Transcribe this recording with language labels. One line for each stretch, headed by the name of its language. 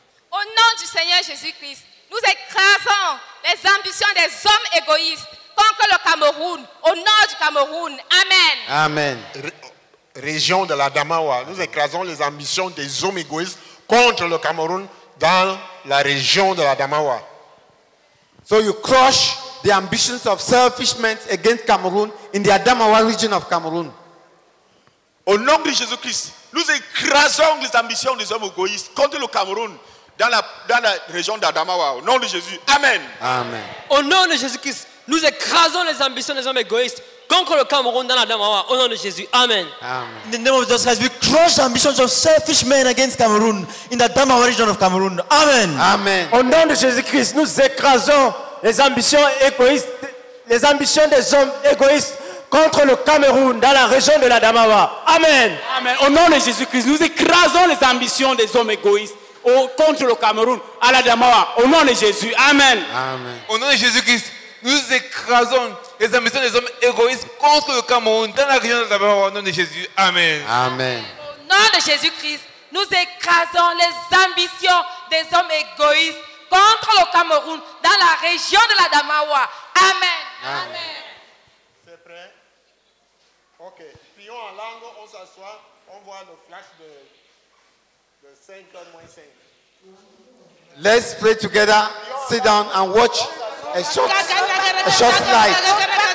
French: Au nom du Seigneur Jésus-Christ, nous écrasons les ambitions des hommes égoïstes. Contre le Cameroun. Au nom du Cameroun. Amen. Amen. Région de la Damawa, nous écrasons les ambitions des hommes égoïstes contre le Cameroun dans la région de la Damawa.
English: So you crush the ambitions of selfish men against Cameroon in the Adamawa region of Cameroon.
French: Au nom de Jésus-Christ, nous écrasons les ambitions des hommes égoïstes contre le Cameroun dans la région d'Adamawa. Au nom de Jésus. Amen. Amen. Au nom de Jésus-Christ, nous écrasons les ambitions des hommes égoïstes contre le Cameroun dans l'Adamawa. Au nom de Jésus. Amen. Amen.
English: In the name of Jesus Christ, we crush the ambitions of selfish men against Cameroon in the Adamawa region of Cameroon. Amen. Amen.
French: Au nom de Jésus-Christ, nous écrasons les ambitions des hommes égoïstes contre le Cameroun dans la région de l'Adamawa. Amen. Amen. Au nom de Jésus-Christ, nous écrasons les ambitions des hommes égoïstes contre le Cameroun à l'Adamawa. Au nom de Jésus. Amen. Amen. Au nom de Jésus-Christ, nous écrasons les ambitions des hommes égoïstes contre le Cameroun dans la région de l'Adamawa. Au nom de Jésus. Amen. Amen. Au nom de Jésus-Christ, nous écrasons les ambitions des hommes égoïstes contre le Cameroun dans la région de l'Adamawa. Amen. Amen. C'est prêt? Ok. Prions en langue, on s'assoit, on voit le flash de 5h moins 5.
English: Let's pray together, sit down and watch a short light.